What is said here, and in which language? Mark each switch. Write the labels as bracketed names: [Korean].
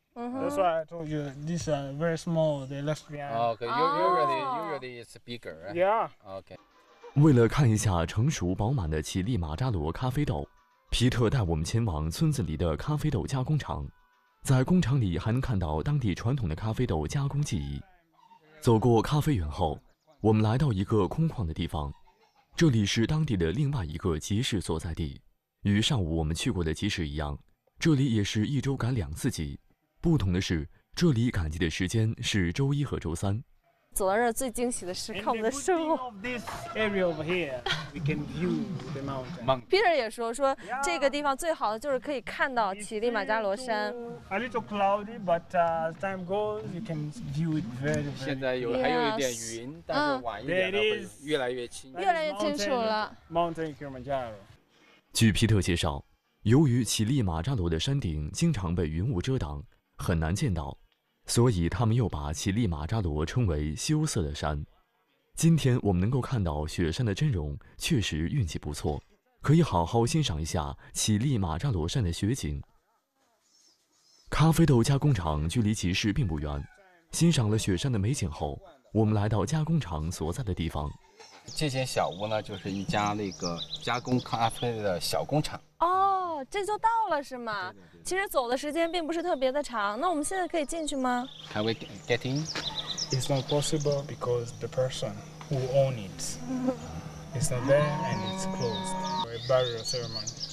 [English] That's why I told you this is very small. They left behind. Okay, usually it's bigger, right? Yeah. Okay. [Chinese] 为了看一下成熟饱满的乞力马扎罗咖啡豆，皮特带我们前往村子里的咖啡豆加工厂。在工厂里还能看到当地传统的咖啡豆加工技艺。走过咖啡园后，我们来到一个空旷的地方，这里是当地的另外一个集市所在地。与上午我们去过的集市一样，这里也是一周赶两次集，不同的是这里赶集的时间是周一和周三。走到这儿最惊喜的是看我们的生活。Peter 也说这个地方最好的就是可以看到乞力马扎罗山。 [English] A little cloudy, but as time goes, you can view it very. [Chinese] 现在有还有一点云，但是晚一点会越来越清。越来越清楚了。 [English] Mountain Kilimanjaro. [Chinese] 据皮特介绍，由于乞力马扎罗的山顶经常被云雾遮挡，很难见到。所以他们又把乞力马扎罗称为羞涩的山。今天我们能够看到雪山的真容，确实运气不错，可以好好欣赏一下乞力马扎罗山的雪景。咖啡豆加工厂距离集市并不远，欣赏了雪山的美景后，我们来到加工厂所在的地方。这间小屋呢，就是一家那个加工咖啡的小工厂。哦，这就到了是吗？对对对。其实走的时间并不是特别的长，那我们现在可以进去吗？ [English] Can we get in? It's not possible because the person who owns it is not there and it's closed for a burial ceremony.